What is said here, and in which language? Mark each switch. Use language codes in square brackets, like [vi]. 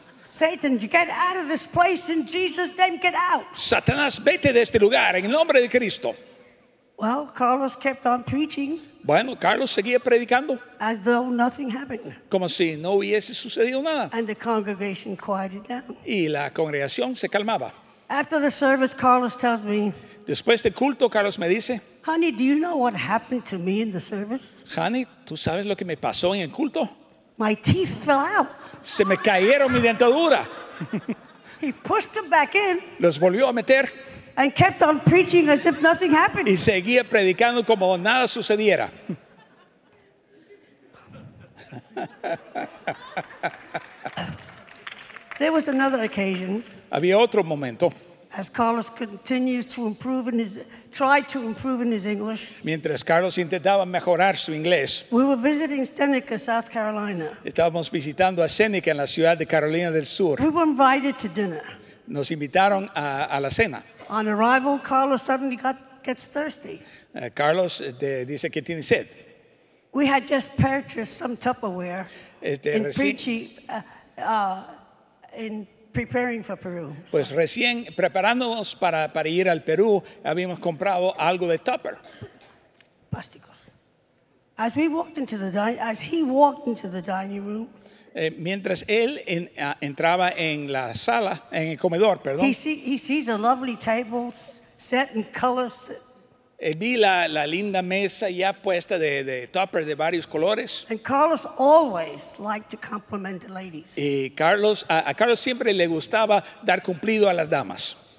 [en] Satan, you get out of this place in Jesus' name, get out. [es] Satanás, vete de este lugar en el nombre de Cristo. [en] Well, Carlos kept on preaching. [es] Bueno, Carlos seguía predicando. [en] As though nothing happened. [es] Como si no hubiese sucedido nada. [en] And the congregation quieted down. [es] Y la congregación se calmaba. [en] After the service, Carlos tells me. [es] Después del culto, Carlos me dice. [en] Honey, do you know what happened to me in the service? [es] Honey, ¿tú sabes lo que me pasó en el culto? [en] My teeth fell out. [es] Se me cayeron mi dentadura. [en] He pushed them back in. [es] Los volvió a meter. [en] And kept on preaching as if nothing happened. [es] Y seguía predicando como nada sucediera. [en] There was another occasion. [es] Había otro momento. [en] As Carlos continues to improve in his try to improve in his English. [es] Mientras Carlos intentaba mejorar su inglés. [en] We were visiting Seneca, South Carolina. [es] Estábamos visitando a Seneca en la ciudad de Carolina del Sur. [en] We were invited to dinner. [es] Nos invitaron a la cena. [en] On arrival, Carlos suddenly gets thirsty. [es] Carlos dice que tiene sed. [en] We had just purchased some Tupperware preparing for Peru. [es] Pues recién preparándonos para ir al Perú, habíamos comprado algo de Tupper. Plásticos. [en] As we walked into the as he walked into the dining room, [es] mientras él entraba en la sala, en el comedor, perdón. [en] He sees a lovely table set in colors. [es] Vi la linda mesa ya puesta de topper de varios colores. [en] And Carlos always liked to compliment the ladies. [es] Y a Carlos siempre le gustaba dar cumplido a las damas.